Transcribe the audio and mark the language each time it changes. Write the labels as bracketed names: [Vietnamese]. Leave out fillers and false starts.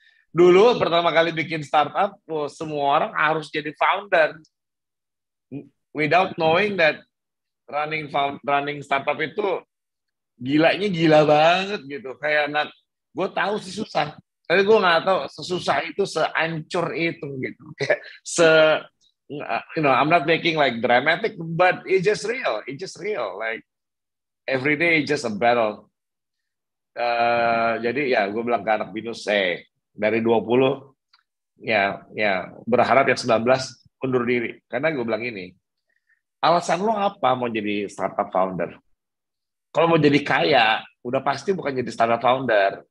[Indonesian] Dulu pertama kali bikin startup, semua orang harus jadi founder. [English] Without knowing that running startup [Indonesian] itu gilanya gila banget gitu. Kayak anak, gue tahu sih susah. Tapi gue nggak tahu sesusah itu, seancur itu gitu. [English] You know, I'm not making like dramatic, but it's just real. It's just real. Like every day is just a battle. [Indonesian] Jadi ya, gue bilang ke anak Binus, dari 20, ya berharap yang 19 undur diri. Karena gue bilang ini, alasan lo apa mau jadi startup founder? Kalau mau jadi kaya, udah pasti bukan jadi startup founder.